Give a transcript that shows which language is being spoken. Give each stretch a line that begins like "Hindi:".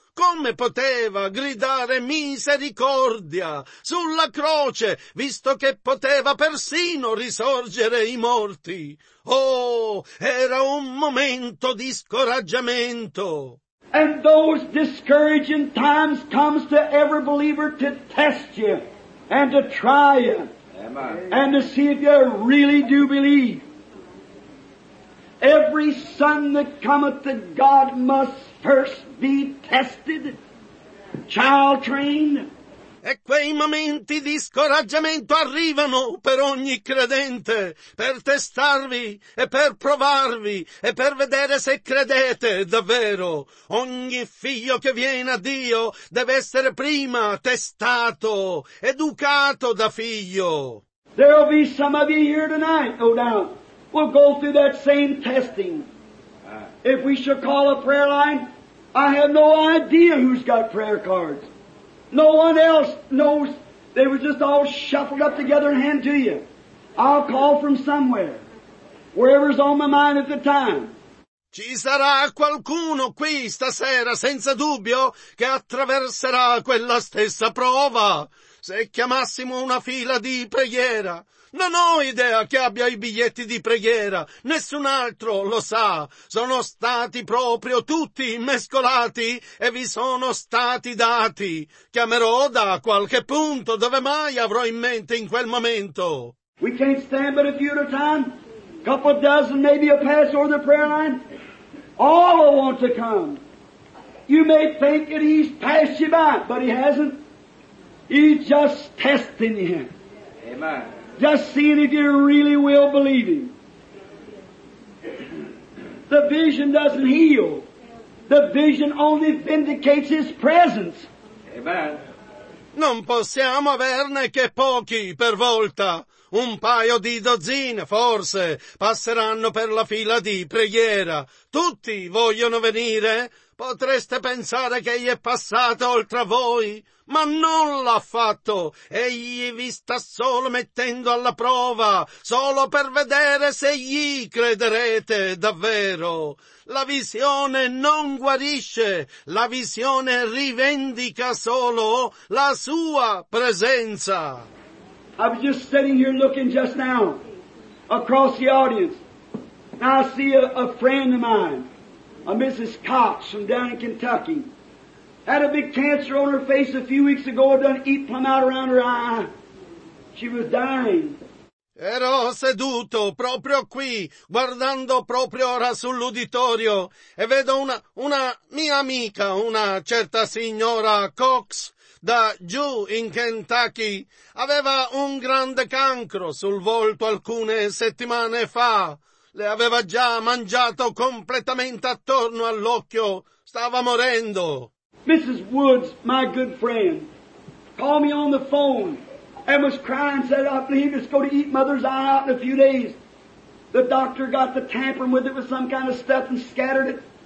Italian: Come poteva gridare misericordia sulla croce, visto che poteva persino risorgere i morti? Oh, era un momento di scoraggiamento.
English: And those discouraging times comes to every believer to test you and to try you. Amen. And to see if you really do believe. Every son that cometh to God must first be tested, child trained.
Italian: E quei momenti di scoraggiamento arrivano per ogni credente, per testarvi e per provarvi e per vedere se credete davvero. Ogni figlio che viene a Dio deve essere prima testato, educato da figlio.
English: There will be some of you here tonight, no doubt. We'll go through that same testing. If we should call a prayer line, I have no idea who's got prayer cards. No one else knows. They were just all shuffled up together and handed to you. I'll call from somewhere, wherever's on my mind at the time.
Italian: Ci sarà qualcuno qui stasera, senza dubbio, che attraverserà quella stessa prova. Se chiamassimo una fila di preghiera, non ho idea che abbia i biglietti di preghiera, nessun altro lo sa. Sono stati proprio tutti mescolati e vi sono stati dati. Chiamerò da qualche punto dove mai avrò in mente in quel momento.
English: We can't stand but a few at a time, a couple of dozen, maybe a pass over the prayer line. All want to come. You may think that he's passed you by, but he hasn't. He's just testing you. Amen. Just seeing if you really will believe him. The vision doesn't heal. The vision only vindicates his presence. Amen.
Italian: Non possiamo averne che pochi per volta. Un paio di dozzine, forse, passeranno per la fila di preghiera. Tutti vogliono venire? Potreste pensare che egli è passato oltre a voi? Ma non l'ha fatto! Egli vi sta solo mettendo alla prova, solo per vedere se gli crederete davvero. La visione non guarisce, la visione rivendica solo la sua presenza.
English: I was just sitting here looking just now, across the audience. Now I see a friend of mine, a Mrs. Cox from down in Kentucky. Had a big cancer on her face a few weeks ago, done eat plum out around her eye. She was dying.
Italian: Ero seduto proprio qui, guardando proprio ora sull'uditorio, e vedo una mia amica, una certa signora Cox, da giù in Kentucky. Aveva un grande cancro sul volto alcune settimane fa. Le aveva già mangiato completamente attorno all'occhio. Stava morendo.
English: Mrs. Woods, my good friend, called me on the phone and was crying, said, I believe it's going to eat mother's eye out in a few days. The doctor got the tampering with it with some kind of stuff and scattered it.